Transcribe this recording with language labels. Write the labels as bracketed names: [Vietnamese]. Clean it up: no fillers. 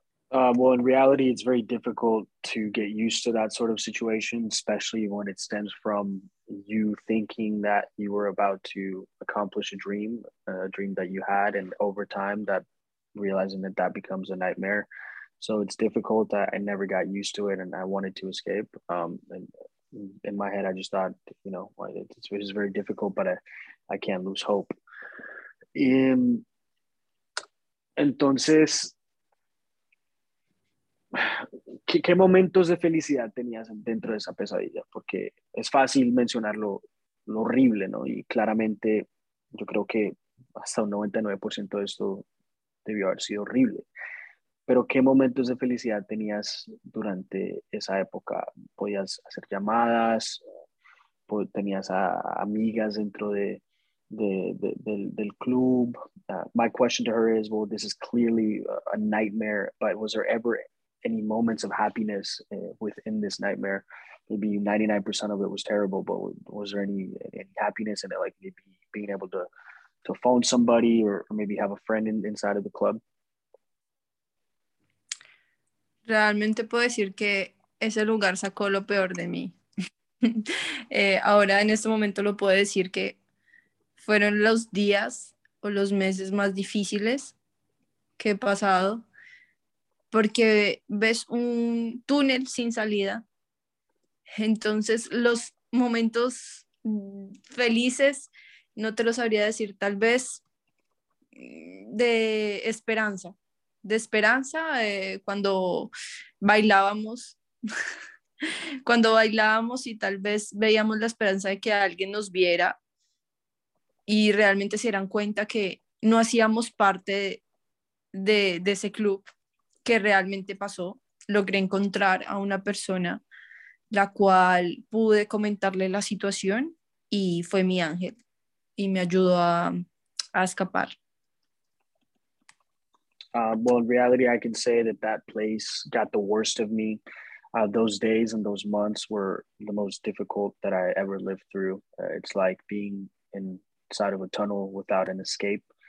[English] Well, in reality, it's very difficult to get used to that sort of situation, especially when it stems from you thinking that you were about to accomplish a dream that you had, and over time, that realizing that that becomes a nightmare. So it's difficult. I never got used to it, and I wanted to escape. And in my head, I just thought, you know, it's very difficult, but I can't lose hope. [Spanish] Entonces, ¿qué momentos de felicidad tenías dentro de esa pesadilla? Porque es fácil mencionar lo horrible, ¿no? Y claramente yo creo que hasta un 99% de esto debió haber sido horrible. Pero ¿qué momentos de felicidad tenías durante esa época? ¿Podías hacer llamadas? ¿Tenías a amigas dentro del club? [English] My question to her is, well, this is clearly a nightmare, but was there ever any moments of happiness within this nightmare? Maybe 99% of it was terrible, but was there any happiness in it, like maybe being able to phone somebody or maybe have a friend inside of the club? [Spanish] Realmente puedo decir que ese lugar sacó lo peor de mí. ahora en este momento lo puedo decir que fueron los días o los meses más difíciles que he pasado, porque ves un túnel sin salida. Entonces los momentos felices, no te los sabría decir, tal vez de esperanza. De esperanza, cuando bailábamos, cuando bailábamos y tal vez veíamos la esperanza de que alguien nos viera y realmente se dieran cuenta que no hacíamos parte de ese club, que realmente pasó. Logré encontrar a una persona la cual pude comentarle la situación y fue mi ángel y me ayudó a escapar. [English] Well, in reality, I can say that that place got the worst of me. Those days and those months were the most difficult that I ever lived through. It's like being inside of a tunnel without an escape.